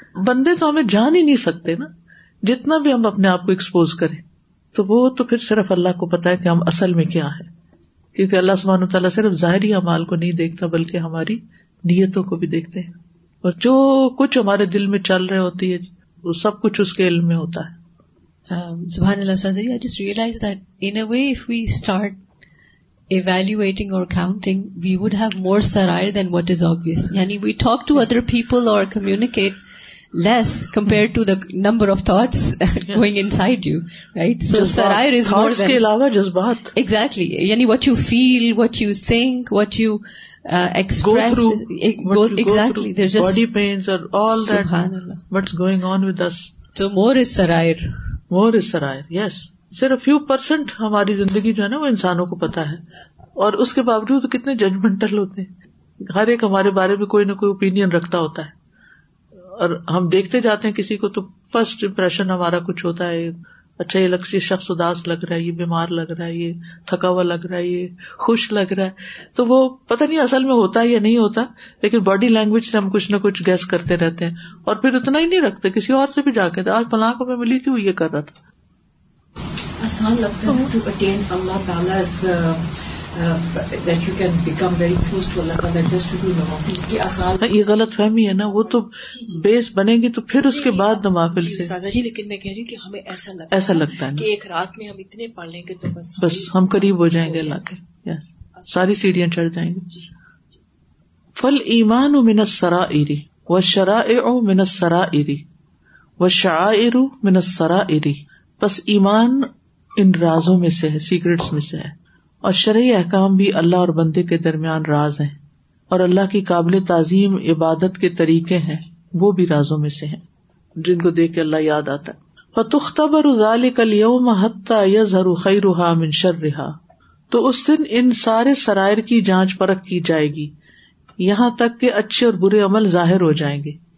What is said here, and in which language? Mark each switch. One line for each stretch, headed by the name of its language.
Urdu: بندے تو ہمیں جان ہی نہیں سکتے نا, جتنا بھی ہم اپنے آپ کو ایکسپوز کریں, تو وہ تو پھر صرف اللہ کو پتا ہے کہ ہم اصل میں کیا ہے. کیونکہ اللہ سبحانہ وتعالیٰ صرف ظاہری اعمال کو نہیں دیکھتا بلکہ ہماری نیتوں کو بھی دیکھتے ہیں, اور جو کچھ ہمارے دل میں چل رہے ہوتی ہے وہ سب کچھ اس کے علم میں ہوتا ہے.
English: سبحان اللہ سنجی, I just realized that in a way if we start evaluating or counting we would have more sarair than what is obvious. Yani we talk to other people or communicate less compared to the number of thoughts going inside you, right? So sarair is more than,
Urdu: اس کے علاوہ جذبات,
English: exactly, yani what you feel, what you think, what you express, go through, exactly. There's just body pains or all that, what's going on with us. So more is sarair. More is sarair, yes.
Urdu: صرف
English: few percent
Urdu: ہماری زندگی جو ہے نا وہ انسانوں کو پتا ہے, اور اس کے باوجود کتنے ججمنٹل ہوتے ہیں. ہر ایک ہمارے بارے میں کوئی نہ کوئی اوپینین رکھتا ہوتا ہے, اور ہم دیکھتے جاتے ہیں کسی کو تو فرسٹ امپریشن ہمارا کچھ ہوتا ہے, اچھا یہ لگتا ہے, شخص اداس لگ رہا ہے, یہ بیمار لگ رہا ہے, یہ تھکا ہوا لگ رہا ہے, یہ خوش لگ رہا ہے, تو وہ پتہ نہیں اصل میں ہوتا ہے یا نہیں ہوتا, لیکن باڈی لینگویج سے ہم کچھ نہ کچھ گیس کرتے رہتے ہیں, اور پھر اتنا ہی نہیں رکھتے, کسی اور سے بھی جا کے آج فلاں کو میں ملی تھی وہ یہ کر رہا تھا. آسان لگتا ہے
English: to attain Allah Taala's that you can become very close to Allah Taala just to do nawafil.
Urdu: کہ آسان, یہ غلط فہمی ہے نا, وہ تو بیس بنے گی تو پھر اس کے بعد نوافل سے. دادا جی, لیکن میں کہہ رہی ہوں کہ ہمیں ایسا لگتا ہے کہ ایک رات میں ہم اتنے پڑھ لیں گے تو بس ہم قریب ہو جائیں گے اللہ کے, ساری سیڑھیاں چڑھ جائیں گے.
Arabic: فل ایمان من السرائر والشرائع من السرائر والشعائر من السرائر,
Urdu: بس ایمان ان رازوں میں سے ہے، سیکرٹس میں سے ہے، اور شرعی احکام بھی اللہ اور بندے کے درمیان راز ہیں، اور اللہ کی قابل تعظیم عبادت کے طریقے ہیں وہ بھی رازوں میں سے ہیں جن کو دیکھ کے اللہ یاد آتا ہے.
Arabic: فتختبر ذلک الیوم حتی یظہر خیرھا من شرھا،
Urdu: تو اس دن ان سارے سرائر کی جانچ پرکھ کی جائے گی یہاں تک کہ اچھے اور برے عمل ظاہر ہو جائیں گے.